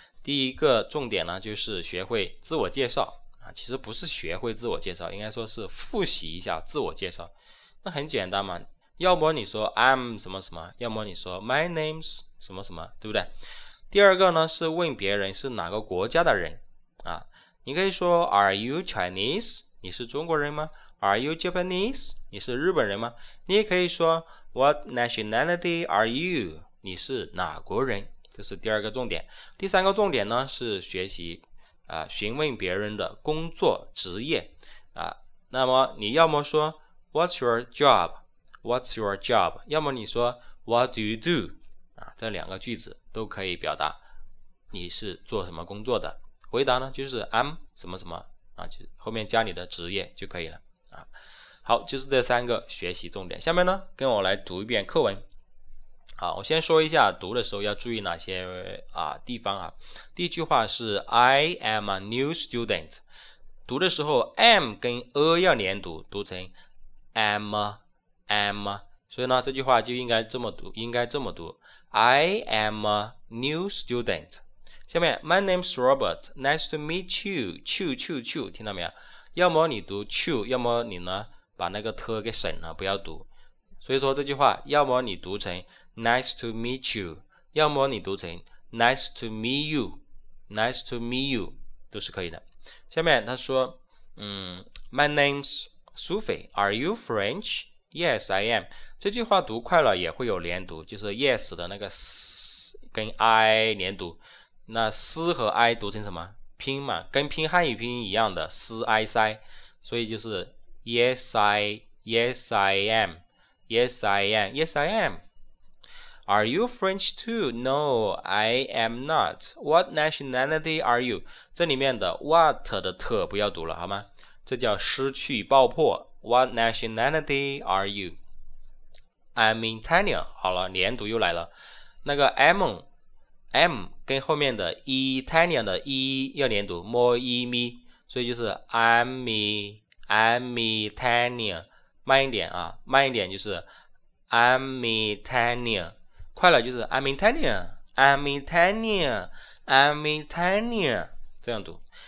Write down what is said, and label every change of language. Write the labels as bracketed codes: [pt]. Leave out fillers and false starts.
[zh] 第一个重点呢，就是学会自我介绍啊，其实不是学会自我介绍，应该说是复习一下自我介绍。那很简单嘛，要么你说 I'm 什么什么，要么你说 My name's 什么什么，对不对？第二个呢，是问别人是哪个国家的人啊，你可以说 [en] Are you Chinese？ [zh] 你是中国人吗？ [en] Are you Japanese? [zh] 你是日本人吗？你也可以说 [en] What nationality are you? [zh] 你是哪国人？这是第二个重点。第三个重点呢，是学习询问别人的工作职业啊。那么你要么说 [en] What's your job? What's your job? [zh] 要么你说 [en] What do you do? [zh] 啊，这两个句子都可以表达你是做什么工作的。回答呢，就是 I'm 什么什么啊，就后面加你的职业就可以了。好，就是这三个学习重点。下面呢，跟我来读一遍课文。好，我先说一下读的时候要注意哪些地方啊。第一句话是 [en] I am a new student， [zh] 读的时候 am 跟 a 要连读，读成 am， 所以呢这句话就应该这么读，应该这么读 I am a new student。 [en] 下面 My name's Robert， nice to meet you， [zh] 啾，听到没有？要么你读啾，要么你呢把那个特给省了，不要读。所以说这句话要么你读成 [en] Nice to meet you， [zh] 要么你读成 Nice to meet you， Nice to meet you 都是可以的。下面他说 [en] My name's Sophie， Are you French？ Yes I am。 [zh] 这句话读快了也会有连读，就是 Yes 的那个 S 跟 I 连读，那 S 和 I 读成什么拼嘛，跟拼汉语拼一样的 S I S I， 所以就是 [en] Yes, I am. Are you French too? No, I am not. What nationality are you? [zh] 这里面的 what 的特不要读了，好吗？这叫失去爆破。 [en] What nationality are you? I'm Italian. [zh] 好了，连读又来了。那个 M 跟后面的 Italian 的 E 要连读 ，more E me， 所以就是 [en] I'm Italian， [zh] 慢一点啊，慢一点就是 I'm Italian， 快了就是 I'm Italian， 这样读。